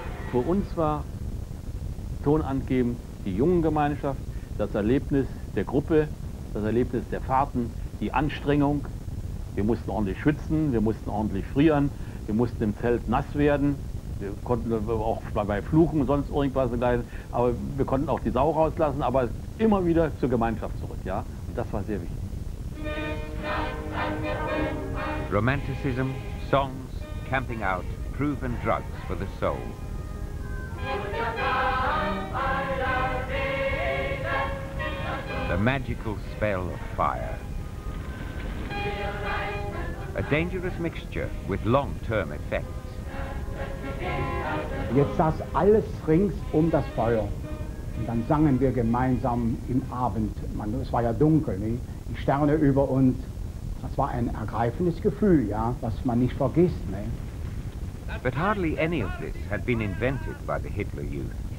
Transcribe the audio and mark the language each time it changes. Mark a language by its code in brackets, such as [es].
[de] Für uns war tonangebend die Jungengemeinschaft, das Erlebnis der Gruppe, das Erlebnis der Fahrten, die Anstrengung. Wir mussten ordentlich schwitzen, wir mussten ordentlich frieren, wir mussten im Zelt nass werden. Wir konnten auch bei Fluchen und sonst irgendwas begleiten, aber wir konnten auch die Sau rauslassen, aber immer wieder zur Gemeinschaft zurück, ja? Und das war sehr wichtig. [en] Romanticism, songs, camping out, proven drugs for the soul. The magical spell of fire. A dangerous mixture with long-term effects. [de] Jetzt saß alles rings um das Feuer und dann sangen wir gemeinsam im Abend, es war ja dunkel, ne? Die Sterne über uns, das war ein ergreifendes Gefühl, ja, was man nicht vergisst. Ne? [en] But hardly any of this had been invented by the Hitler Youth.